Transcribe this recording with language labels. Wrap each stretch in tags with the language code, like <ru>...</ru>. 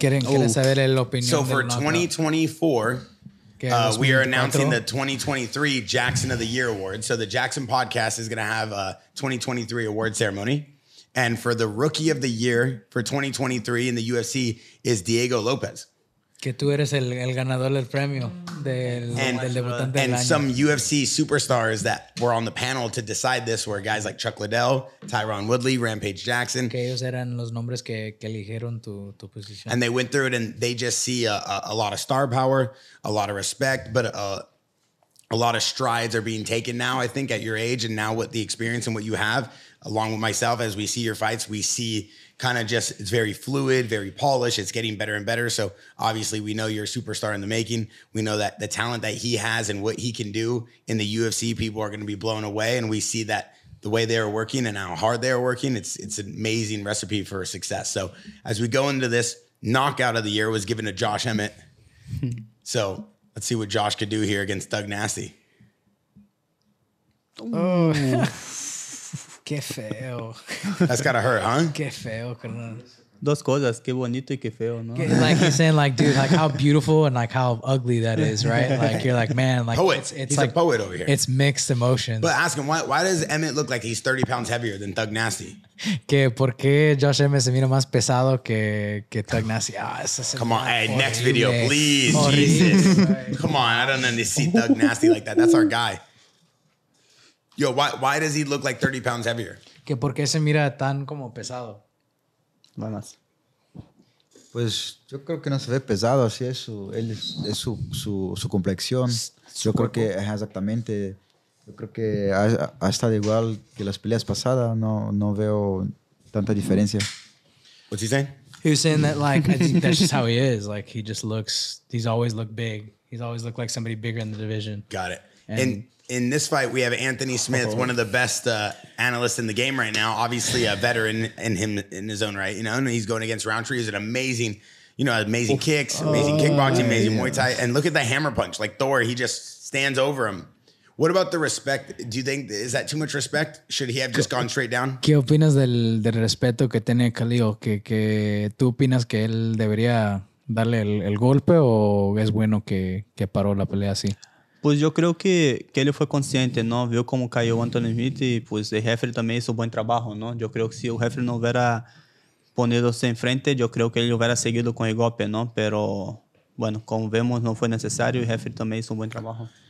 <es>Saber el opinión.</es> <en>So for 2024, we are announcing the 2023 Jackson of the Year Award. So the Jackson Podcast is gonna have a 2023 award ceremony. And for the rookie of the year for 2023 in the UFC is Diego Lopez.</en> <es>Que tú eres el ganador del premio del debutante del año.</es> <en>And some UFC superstars that were on the panel to decide this were guys like Chuck Liddell, Tyron Woodley, Rampage Jackson.</en> <es>Que ellos eran los nombres que eligieron tu posición.</es> <en>And they went through it and they just see a lot of star power, a lot of respect, but a lot of strides are being taken now, I think, at your age and now with the experience and what you have, along with myself, as we see your fights, we see kind of just, it's very fluid, very polished. It's getting better and better. So obviously we know you're a superstar in the making. We know that the talent that he has and what he can do in the UFC, people are going to be blown away. And we see that the way they are working and how hard they are working, it's an amazing recipe for success. So as we go into this, knockout of the year was given to Josh Emmett. So let's see what Josh could do here against Doug Nasty.</en> <es>Oh, qué feo.</es> <en>That's gotta hurt, huh?</en> <es>Qué feo, carnal. Dos cosas, qué bonito y qué feo, ¿no?</es> <en>Like he's saying, like, dude, like how beautiful and like how ugly that is, right? Like you're like, man, like poet. It's he's like a poet over here. It's mixed emotions. But ask him why does Emmett look like he's 30 pounds heavier than Thug Nasty?</en> <es>Que por qué Josh Emmett se mira más pesado que Thug Nasty? Ah, es</es> <en>come on, hey, next video, please, Jesus. Come on, I don't need to see Thug Nasty like that. That's our guy. Yo, why does he look like 30 pounds heavier?</en> <es>¿Que por qué se mira tan como pesado? Buenas. Pues yo creo que no se ve pesado, así es su, él es su complexión. Yo creo que exactamente, yo creo que ha estado igual que las peleas pasadas, no veo tanta diferencia.</es> <en>What's he saying? He was saying that like, I think that's just how he is. Like he just looks, he's always looked big. He's always looked like somebody bigger in the division. Got it. And in this fight, we have Anthony Smith, one of the best analysts in the game right now. Obviously, a veteran in his own right. You know, and he's going against Roundtree. He's an amazing, you know, amazing kicks, amazing kickboxing, amazing Muay Thai. And look at the hammer punch. Like Thor, he just stands over him. What about the respect? Do you think, is that too much respect? Should he have just gone straight down?</en> <es>¿Qué opinas del respeto que tiene Khalil? ¿Que tú opinas que él debería darle el golpe o es bueno que paró la pelea así? Pues yo creo que</es> <pt>ele foi consciente, não? Viu como caiu o Anthony Smith e pues, o referee também fez um bom trabalho, não? Eu creio que se o referee não houvera ponido-se em frente, eu creio que ele houvera seguido com o golpe, não?</pt> <es>Pero, bueno, como vemos,</es> <pt>não foi necessário e o referee também fez um bom trabalho.</pt>